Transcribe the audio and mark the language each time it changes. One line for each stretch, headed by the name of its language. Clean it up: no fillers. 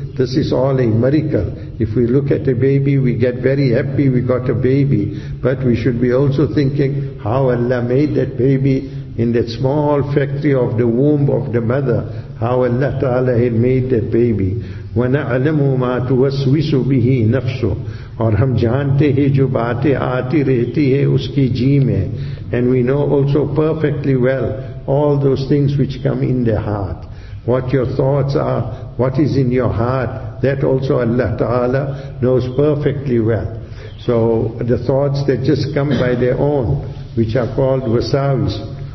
English: This is all a miracle. If we look at a baby, we get very happy we got a baby. But we should be also thinking how Allah made that baby in that small factory of the womb of the mother. How Allah Ta'ala had made that baby.
Arabic: وَنَعْلَمُ مَا تُوَسْوِسُ بِهِ نَفْسُ.
Urdu: اور ہم جانتے ہیں جو باتیں آتی رہتی ہیں اس کی جی میں.
English: And we know also perfectly well all those things which come in the heart. What your thoughts are, what is in your heart, that also Allah Ta'ala knows perfectly well. So the thoughts that just come by their own, which are called wasawis.